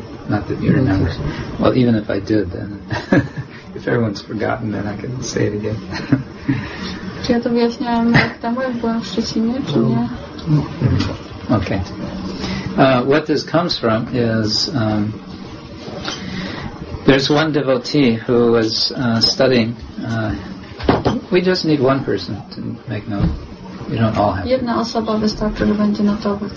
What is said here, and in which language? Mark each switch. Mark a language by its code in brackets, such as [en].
[en] Not that you remember. Well, even if I did, then if everyone's forgotten, then I can say it again. [pl] Czy ja to wyjaśniałam rok temu, jak byłam w Szczecinie, czy nie? [en] Okay. What this comes from is there's one devotee who was studying. We just need one person to make note. You don't all have to. [pl] Jedna osoba wystarczy, że będzie notować.